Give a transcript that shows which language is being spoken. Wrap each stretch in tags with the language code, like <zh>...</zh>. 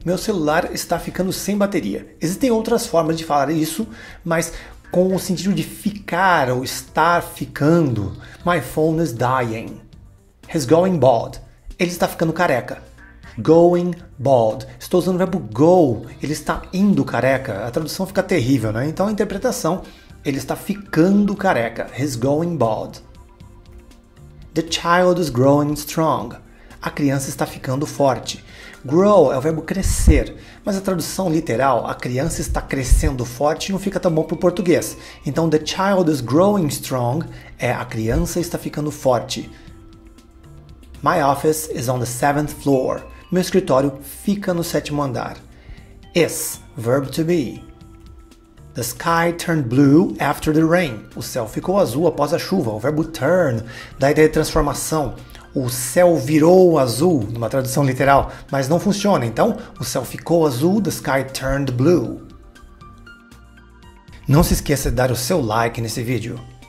<pt>Meu celular está ficando sem bateria. Existem outras formas de falar isso, mas com o sentido de ficar ou estar ficando.</pt> <en>My phone is dying. He's going bald.</en> <pt>Ele está ficando careca.</pt> <en>Going bald.</en> <pt>Estou usando o verbo go. Ele está indo careca. A tradução fica terrível, né? Então, a interpretação: ele está ficando careca.</pt> <en>He's going bald. The child is growing strong.</en> <pt>A criança está ficando forte. Grow é o verbo crescer, mas a tradução literal, a criança está crescendo forte, não fica tão bom para o português. Então,</pt> <en>the child is growing strong</en> <pt>é a criança está ficando forte.</pt> <en>My office is on the seventh floor.</en> <pt>Meu escritório fica no sétimo andar.</pt> <en>Is, verb to be. The sky turned blue after the rain.</en> <pt>O céu ficou azul após a chuva. O verbo turn dá a ideia de transformação. O céu virou azul, numa tradução literal, mas não funciona. Então, o céu ficou azul,</pt> <en>the sky turned blue.</en> <pt>Não se esqueça de dar o seu like nesse vídeo.</pt>